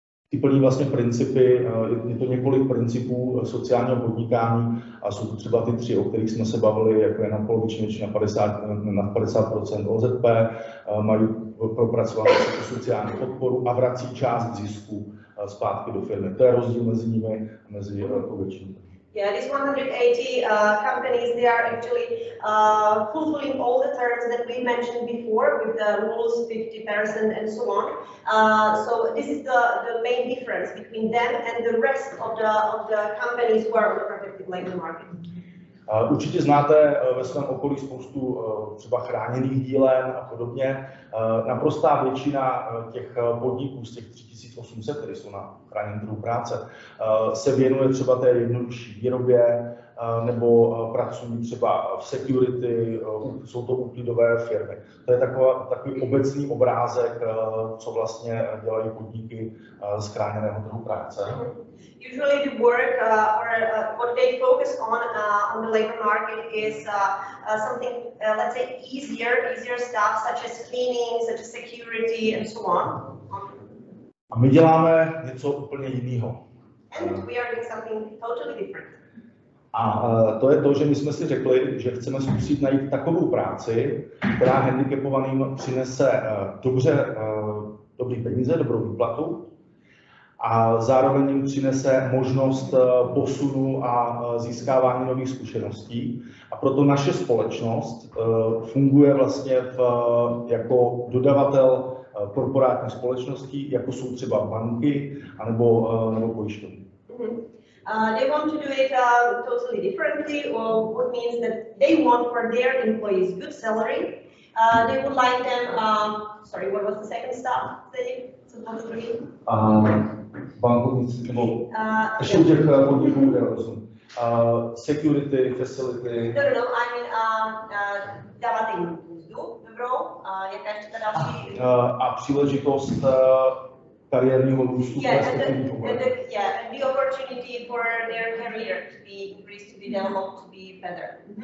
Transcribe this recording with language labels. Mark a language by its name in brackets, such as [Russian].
[Czech] Ty plní vlastně principy, je to několik principů sociálního podnikání a jsou to třeba ty tři, o kterých jsme se bavili, jako je na poloviční většině na 50% OZP, mají propracovanou sociální podporu a vrací část zisku zpátky do firmy. To je rozdíl mezi nimi a mezi velkou většinou. [English] Yeah, these 180 companies, they are actually fulfilling all the terms that we mentioned before with the rules 50% and so on. So this is the main difference between them and the rest of the companies who are on the protected labor market. [Czech] Určitě znáte ve svém okolí spoustu třeba chráněných dílen a podobně. Naprostá většina těch podniků z těch 3800, které jsou na chráněném trhu práce, se věnuje třeba té jednodušší výrobě nebo pracují třeba v security, jsou to úklidové firmy. To je takový obecný obrázek, co vlastně dělají podniky z chráněného trhu práce. [English] Usually the work what they focus on the labor market is something let's say easier stuff such as cleaning, such as security and so on. [Czech] A my děláme něco úplně jiného. [English] And we are doing something totally different. [Czech] A to je to, že my jsme si řekli, že chceme zkusit najít takovou práci, která handicapovaným přinese dobře, dobrý peníze, dobrou výplatu a zároveň jim přinese možnost posunu a získávání nových zkušeností. A proto naše společnost funguje vlastně jako dodavatel korporátních společností, jako jsou třeba banky nebo pojišťovny. [English] They want to do it totally differently, or what means that they want for their employees good salary. They would like them. Sorry, what was the second stop? They supposed to be. [Czech] Bankovnictví. Ještě těch podniků, já rozumím. [English] Security facility. No, I mean, [Czech] dávat jim mzdu, dobro, jaká ještě ta další? A příležitost. Kariérního růstu, [English] and the opportunity for their career to be increased, to be developed, to be better.